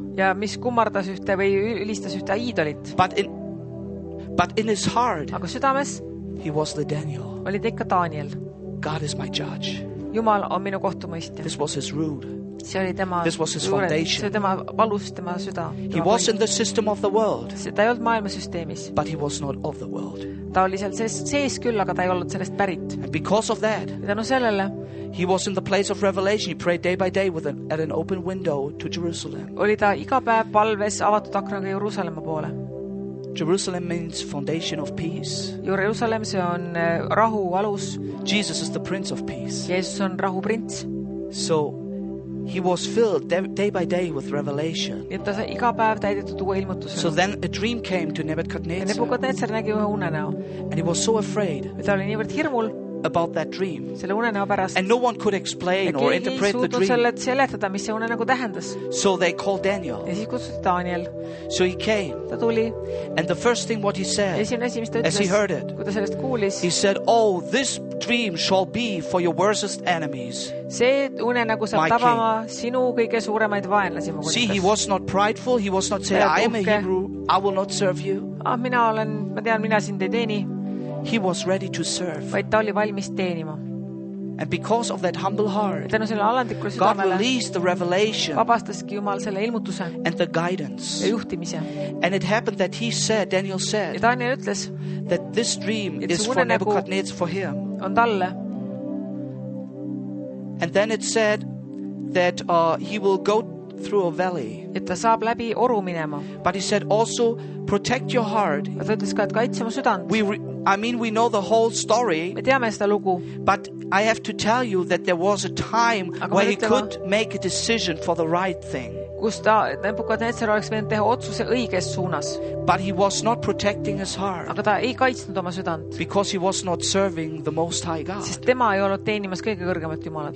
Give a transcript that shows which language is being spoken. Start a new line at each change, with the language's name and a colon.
Estonian: Ja mis kummardas ühte või ülistas ühte iidolit.
English: But in his heart.
Estonian: Aga südames.
English: He was the Daniel.
Estonian: Oli ikka Daniel.
English: God is my judge.
Estonian: Jumal on minu kohtumõistja.
English: This was his root.
Estonian: See oli tema
English: this was his foundation.
Estonian: See tema valus, tema süda.
English: He was in the system of the world.
Estonian: Ta ei olnud maailmasüsteemis.
English: But he was not of the world.
Estonian: Ta oli seal sees küll, aga ta ei olnud sellest pärit.
English: And because of that.
Estonian: Ja tänu sellele.
English: He was in the place of revelation. He prayed day by day with at an open window to Jerusalem.
Estonian: Oli ta iga päev palves avatud aknaga Jerusalemma poole.
English: Jerusalem means foundation of peace.
Estonian: Jerusalem, see on rahu alus.
English: Jesus is the prince of peace.
Estonian: Jeesus on rahu prints.
English: So he was filled day by day with revelation.
Estonian: Ja ta sai iga päev täidetud uue ilmutusega.
English: So then a dream came to Nebuchadnezzar.
Estonian: Ja Nebuchadnezzar nägi ühe unenäo.
English: And he was so afraid.
Estonian: Ja ta oli niivõrd hirmul.
English: About that dream.
Estonian: Selle unenäo pärast.
English: And no one could explain or interpret the dream.
Estonian: Selle seletada, mis see unenägu tähendas.
English: So they called Daniel.
Estonian: Ja siis kutsuti Daniel.
English: So he came.
Estonian: Ta tuli.
English: And the first thing what he said.
Estonian: Esimene asi, mis ta ütles.
English: As he heard it.
Estonian: Kui ta sellest kuulis.
English: He said, "Oh, this dream shall be for your worst enemies."
Estonian: See unenägu saab tabama sinu kõige suuremaid vaenlasi.
English: See, he was not prideful. He was not saying, "I am a Hebrew. I will not serve you."
Estonian: Ah, mina olen, ma tean, mina sind ei teeni.
English: He was ready to serve.
Estonian: Vaid ta oli valmis teenima.
English: And because of that humble heart,
Estonian: tänu selle alandlikule südamele,
English: God released the revelation.
Estonian: Vabastaski Jumal selle ilmutuse.
English: And the guidance.
Estonian: Ja juhtimise.
English: And it happened that he said, Daniel said,
Estonian: ja Daniel ütles,
English: that this dream is for Nebuchadnezzar, for him.
Estonian: On talle.
English: And then it said that he will go through a valley.
Estonian: Et ta saab läbi oru minema.
English: But he said also, protect your heart.
Estonian: Ja ta ütles ka, et kaitsema südant.
English: We know the whole story.
Estonian: Me teame seda lugu.
English: But I have to tell you that there was a time where he could make a decision for the right thing.
Estonian: Kus ta Nebukadnezar oleks võinud teha otsuse õiges suunas.
English: But he was not protecting his heart.
Estonian: Aga ta ei kaitsnud oma südant.
English: Because he was not serving the Most High God.
Estonian: Sest tema ei olnud teenimas kõige kõrgemat Jumalat.